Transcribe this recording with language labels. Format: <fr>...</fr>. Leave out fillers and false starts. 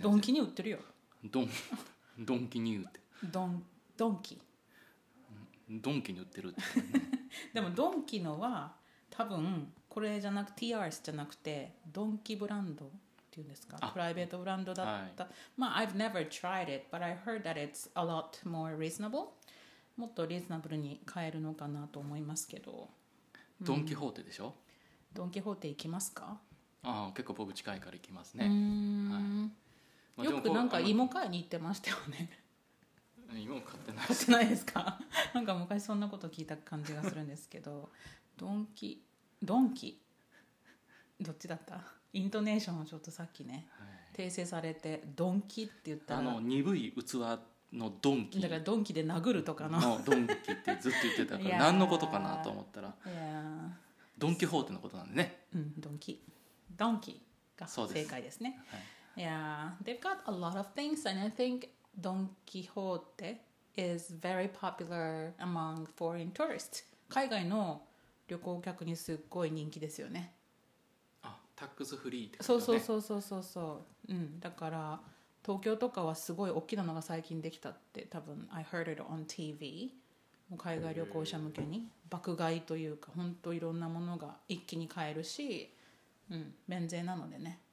<ja>ドンキに売ってるよ。ドンキに売って。ドンキ。ドンキに売ってるって、ね。でもドンキのは多分これじゃなく TRS じゃなくてドンキブランドっていうんですか。プライベートブランドだった。</ja> <en>はい、まあ I've never tried it, but I heard that it's a lot more reasonable。</en> <ja>もっとリーズナブルに買えるのかなと思いますけど、うん、ドンキホーテでしょ。ドンキホーテ行きますか。ああ結構僕近いから行きますね。うーん、はい、よくなんか芋買いに行ってましたよね。芋買ってない、買ってないですか。なんか昔そんなこと聞いた感じがするんですけど、ドンキどっちだった。イントネーションをちょっとさっきね、はい、訂正されてドンキって言ったら、あの鈍い器のドンキ、だからドンキで殴るとかのドンキってずっと言ってたから何のことかなと思ったら、いやドンキホーテのことなんでね、うん、ドンキが正解ですね。はい、</ja> <en>yeah they've got a lot of things and I think ドンキホーテ is very popular among foreign tourists。</en> <ja>海外の旅行客にすっごい人気ですよね。あ、タックスフリーってことね。そう、うん、だから東京とかはすごい大きなのが最近できたって多分</ja> <en>I heard it on TV。</en> <ja>もう海外旅行者向けに爆買いというか本当いろんなものが一気に買えるし、うん、免税なのでね。</ja>